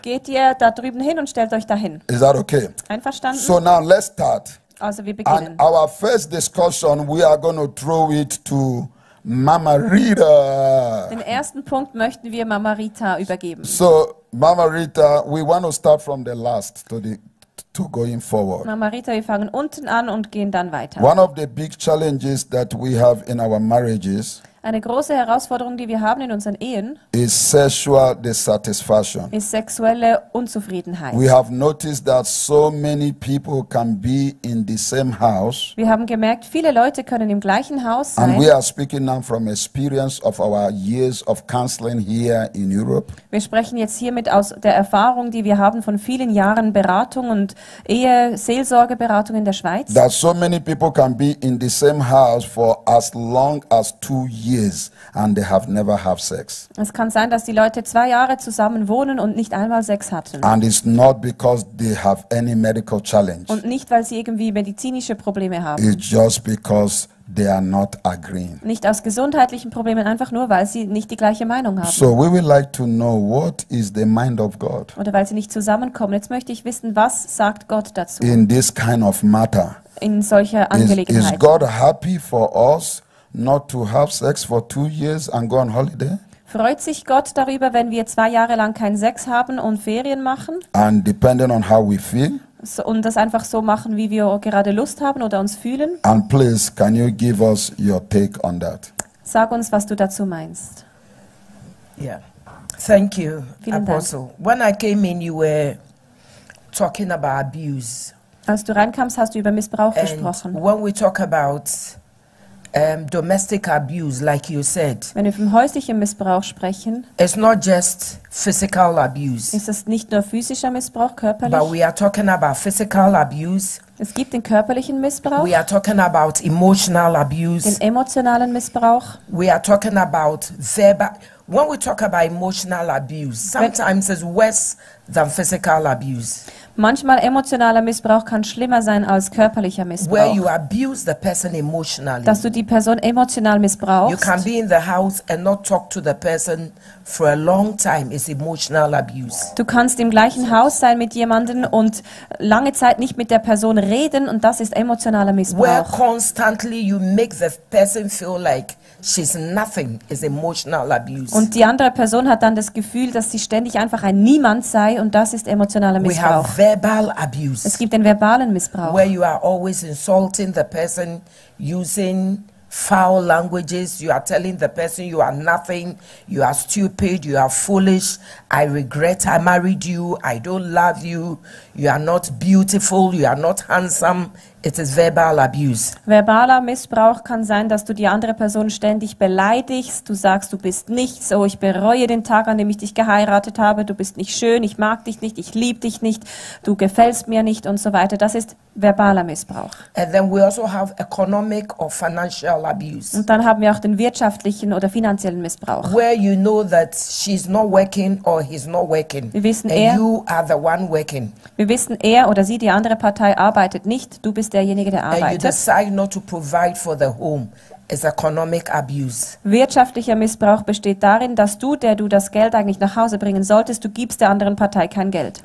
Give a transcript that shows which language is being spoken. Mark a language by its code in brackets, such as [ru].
[de] Geht ihr da drüben hin und stellt euch da hin. [en] Is that okay? [de] Einverstanden? [en] So now let's start. [de] Also wir beginnen. [en] And our first discussion, we are going to throw it to Mama Rita. [de] Den ersten Punkt möchten wir Mama Rita übergeben. [en] So, Mama Rita, we want to start from the last to going forward. [de] Mama Rita, wir fangen unten an und gehen dann weiter. [en] One of the big challenges that we have in our marriages, [de] eine große Herausforderung, die wir haben in unseren Ehen, [en] is sexual dissatisfaction. [de] Ist sexuelle Unzufriedenheit. [en] We have noticed that so many people can be in the same house. [de] Wir haben gemerkt, viele Leute können im gleichen Haus sein. [en] And we are speaking now from experience of our years of counseling here in Europe. [de] Wir sprechen jetzt hiermit aus der Erfahrung, die wir haben von vielen Jahren Beratung und Ehe-Seelsorgeberatung in der Schweiz. [en] That so many people can be in the same house for as long as 2 years. years and they have never had sex. [de] Es kann sein, dass die Leute 2 Jahre zusammen wohnen und nicht einmal Sex hatten. [en] And it's not because they have any medical challenge. [de] Und nicht weil sie irgendwie medizinische Probleme haben. [en] It's just because they are not agreeing. [de] Nicht aus gesundheitlichen Problemen, einfach nur weil sie nicht die gleiche Meinung haben. [en] So we would like to know what is the mind of God. [de] Oder weil sie nicht zusammenkommen. Jetzt möchte ich wissen, was sagt Gott dazu? [en] In this kind of matter. [de] In solcher Angelegenheit. [en] Is God happy for us not to have sex for 2 years and go on holiday? [de] Freut sich Gott darüber, wenn wir 2 Jahre lang keinen Sex haben und Ferien machen? [en] And depending on how we feel. [de] So, und das einfach so machen, wie wir gerade Lust haben oder uns fühlen. [en] And please, can you give us your take on that? [de] Sag uns, was du dazu meinst. [en] Yeah. Thank you, [de] Vielen [en] Apostle. [de] Dank. [en] When I came in, you were talking about abuse. [de] Als du reinkamst, hast du über Missbrauch [en] and [de] gesprochen. [en] When we talk about domestic abuse, like you said, [de] wenn wir vom häuslichen Missbrauch sprechen, [en] it's not just physical abuse. [de] Ist es nicht nur physischer Missbrauch, körperlich? [en] But we are talking about physical abuse. [de] Es gibt den körperlichen Missbrauch. [en] We are talking about emotional abuse. [de] Den emotionalen Missbrauch. [en] We are talking about verbal. When we talk about emotional abuse, sometimes it's worse than physical abuse. [de] Manchmal emotionaler Missbrauch kann schlimmer sein als körperlicher Missbrauch. [en] Where you abuse the person emotionally. [de] Dass du die Person emotional missbrauchst. [en] You can be in the house and not talk to the person for a long time is emotional abuse. [de] Du kannst im gleichen Haus sein mit jemandem und lange Zeit nicht mit der Person reden und das ist emotionaler Missbrauch. [en] Where constantly you make the person feel like she's nothing is emotional abuse. [de] Und die andere Person hat dann das Gefühl, dass sie ständig einfach ein Niemand sei und das ist emotionaler Missbrauch. [en] We have verbal abuse. [de] Es gibt den verbalen Missbrauch. [en] Where you are always insulting the person using foul languages, you are telling the person you are nothing, you are stupid, you are foolish, I regret I married you, I don't love you, you are not beautiful, you are not handsome. It is verbal abuse. [de] Verbaler Missbrauch kann sein, dass du die andere Person ständig beleidigst. Du sagst, du bist nichts. Oh, ich bereue den Tag, an dem ich dich geheiratet habe. Du bist nicht schön. Ich mag dich nicht. Ich liebe dich nicht. Du gefällst mir nicht und so weiter. Das ist verbaler Missbrauch. [en] And then we also have economic or financial abuse. [de] Und dann haben wir auch den wirtschaftlichen oder finanziellen Missbrauch. [en] Where you know that she's not working or he's not working. [de] Wir wissen, [en] and [de] er, [en] you are the one working. [de] Wir wissen, er oder sie, die andere Partei, arbeitet nicht. Du bist derjenige, der arbeitet. [en] And you decide not to provide for the home. It's economic abuse. [de] Wirtschaftlicher Missbrauch besteht darin, dass du, der du das Geld eigentlich nach Hause bringen solltest, du gibst der anderen Partei kein Geld.